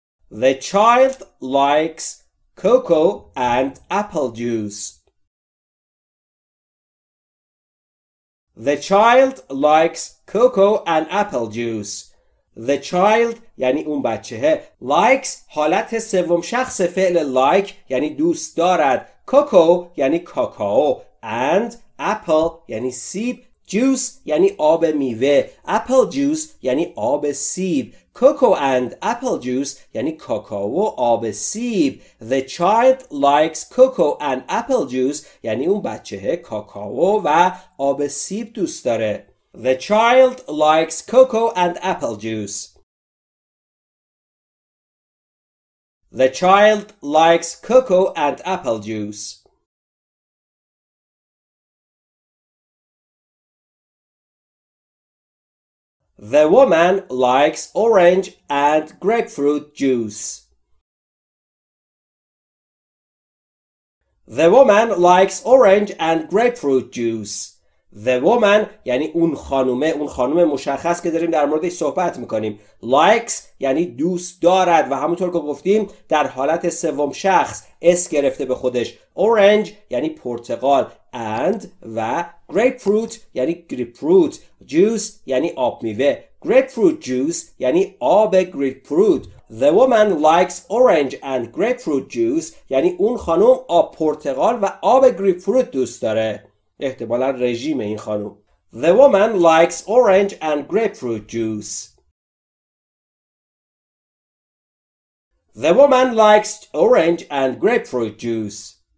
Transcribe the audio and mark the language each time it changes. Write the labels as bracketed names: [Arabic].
[English] The child likes cocoa and apple juice. The child likes cocoa and apple juice. The child [Persian] یعنی اون بچهه. [English] Likes [Persian] حالت سوم شخص فعل like یعنی دوست دارد. Cocoa یعنی کاکائو. [English] And apple [Persian] یعنی سیب. Juice یعنی آب میوه. [English] Apple juice [Persian] یعنی آب سیب. [English] Cocoa and apple juice [Persian] یعنی کاکائو و آب سیب. [English] The child likes cocoa and apple juice [Persian] یعنی اون بچه کاکائو و آب سیب دوست داره. [English] The child likes cocoa and apple juice. The child likes cocoa and apple juice. The woman likes orange and grapefruit juice. The woman likes orange and grapefruit juice. The woman [Persian] یعنی اون خانومه، اون خانوم مشخص که داریم در موردش صحبت میکنیم. Likes یعنی دوست دارد و همونطور که گفتیم در حالت سوم شخص اس گرفته به خودش. Orange یعنی پرتقال. [English] And [Persian] و [English] grapefruit [Persian] یعنی [English] grapefruit. [Persian] Juice یعنی آب میوه. [English] Grapefruit juice [Persian] یعنی آب [English] grapefruit. The woman likes orange and grapefruit juice [Persian] یعنی اون خانوم آب پرتقال و آب grapefruit دوست داره. احتمالا رژیم این خانوم. [English] The woman likes orange and grapefruit juice. The woman likes orange and grapefruit juice.